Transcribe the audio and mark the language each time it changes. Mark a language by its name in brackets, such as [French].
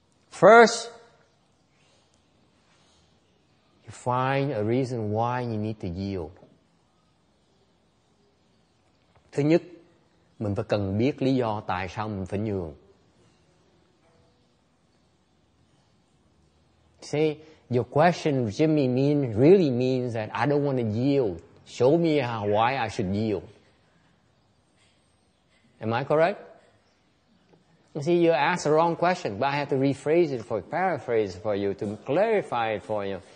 [English] First you find a reason why you need to yield. [Vietnamese] Thứ nhất, mình phải cần biết lý do tại sao mình phải nhường. [English] say, your question really means that I don't want to yield. Show me how, why I should yield. Am I correct? You see, you asked the wrong question, but I have to rephrase it, paraphrase it for you, to clarify it for you.